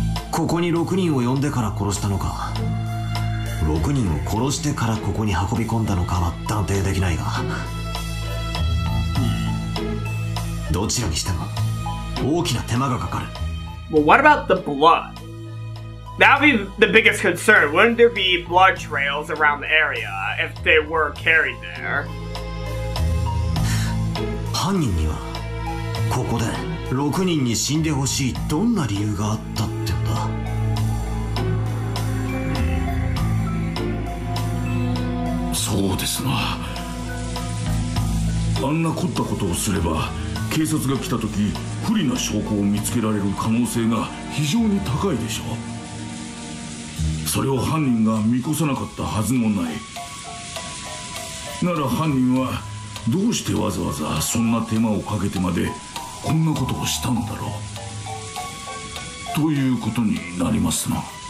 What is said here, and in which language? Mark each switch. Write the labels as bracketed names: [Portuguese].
[Japanese] ここに6人を呼んでから殺したのか6人を殺してからここに運び込んだのかは断定できないがどちらにしても大きな手間がかかる [English] Well, what about the blood? That would be the biggest concern. Wouldn't there be blood trails around the area if they were carried there? [Japanese] 犯人にはここで6人に死んでほしいどんな理由があったってそうですなあんな凝ったことをすれば警察が来た時不利な証拠を見つけられる可能性が非常に高いでしょうそれを犯人が見越さなかったはずもないなら犯人はどうしてわざわざそんな手間をかけてまでこんなことをしたのだろうということになりますな